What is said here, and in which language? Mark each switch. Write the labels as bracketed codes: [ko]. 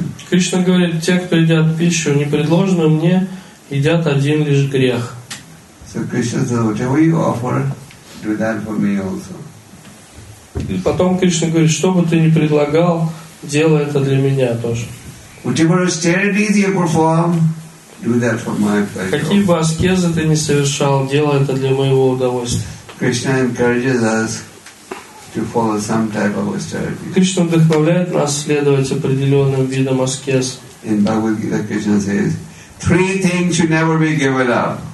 [ru] Кришна говорит, те, кто едят пищу, не предложенную мне, едят один лишь грех. [en] So Krishna says, whatever you offer, do that for me also. [ru] Потом Кришна говорит, что бы ты ни предлагал, делай это для меня тоже. [en] Whatever austerities you perform, do that for my pleasure. [ru] Какие бы аскезы ты ни совершал, делай это для моего удовольствия. [en] Krishna encourages us. To follow some type of austerity. [ru] Кришна вдохновляет нас следовать определенным видам аскез. [en] In Bhagavad Gita, Krishna says, three things should never be given up.